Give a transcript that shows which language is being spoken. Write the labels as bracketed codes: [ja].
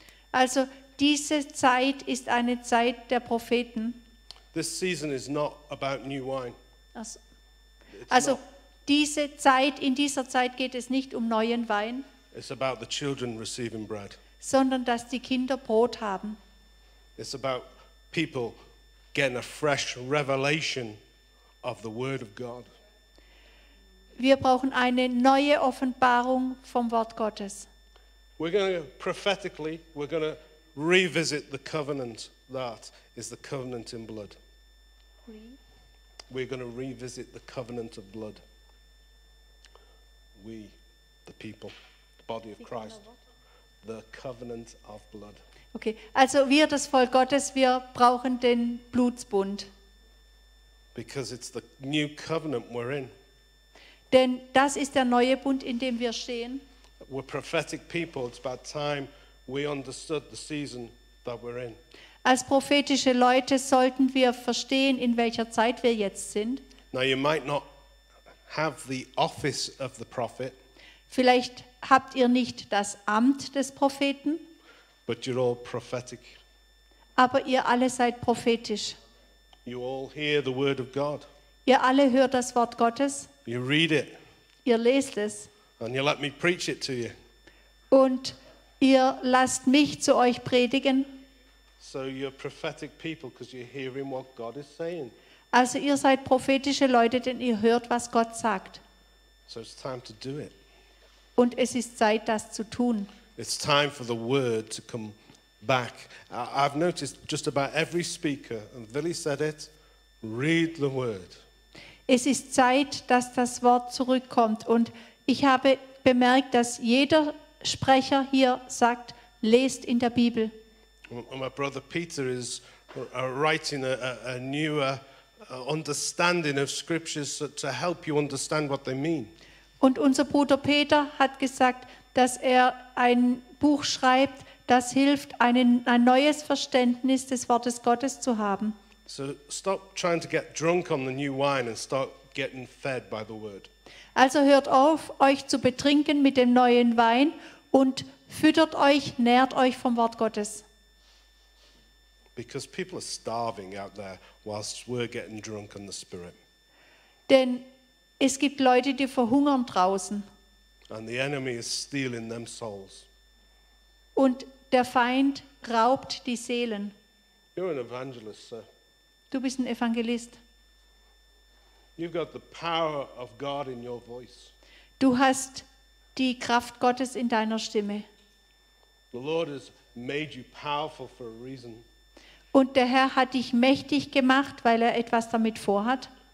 [de] Also diese Zeit ist eine Zeit der Propheten. [en] This season is not about new wine. [de] Also diese Zeit, in dieser Zeit geht es nicht um neuen Wein. [en] It's about the children receiving bread. [de] Sondern dass die Kinder Brot haben. [en] It's about people getting a fresh revelation of the Word of God. [de] Wir brauchen eine neue Offenbarung vom Wort Gottes. [en] We're going to prophetically, we're going to revisit the covenant that is the covenant in blood. We're going to revisit the covenant of blood. We the people, the body of Christ, the covenant of blood. [de] Okay, also wir, das Volk Gottes, wir brauchen den Blutsbund. [en] Because it's the new covenant we're in. [de] Denn das ist der neue Bund, in dem wir stehen. [en] We're prophetic people. It's about time we understood the season that we're in. [de] Als prophetische Leute sollten wir verstehen, in welcher Zeit wir jetzt sind. [en] Now you might not have the office of the prophet. [de] Vielleicht habt ihr nicht das Amt des Propheten. [en] But you're all prophetic. [de] Aber ihr alle seid prophetisch. [en] You all hear the word of God. [de] Ihr alle hört das Wort Gottes. [en] You read it. [de] Ihr lest es. [en] And you let me preach it to you. [de] Und ihr lasst mich zu euch predigen. [en] So you're prophetic people because you're hearing what God is saying. [de] Also ihr seid prophetische Leute, denn ihr hört, was Gott sagt. [en] So it's time to do it. [de] Und es ist Zeit, das zu tun. [en] It's time for the word to come back. I've noticed just about every speaker, and Willie said it, read the word. [de] Es ist Zeit, dass das Wort zurückkommt. Und ich habe bemerkt, dass jeder Sprecher hier sagt, lest in der Bibel. [en] My brother Peter is writing a newer understanding of scriptures to help you understand what they mean. [de] Und unser Bruder Peter hat gesagt, dass er ein Buch schreibt, das hilft, ein neues Verständnis des Wortes Gottes zu haben. [en] So stop trying to get drunk on the new wine and start getting fed by the word. [de] Also hört auf, euch zu betrinken mit dem neuen Wein und füttert euch, nährt euch vom Wort Gottes. [en] Because people are starving out there whilst we're getting drunk on the Spirit. [de] Denn es gibt Leute, die verhungern draußen. [en] And the enemy is stealing them souls. [de] Und der Feind raubt die Seelen. [en] You're an evangelist, sir. [de] Du bist ein Evangelist. [en] You've got the power of God in your voice. [de] Du hast die Kraft Gottes in deiner Stimme. [en] The Lord has made you powerful for a reason. [de] Und der Herr hat dich mächtig gemacht, weil er etwas damit vorhat.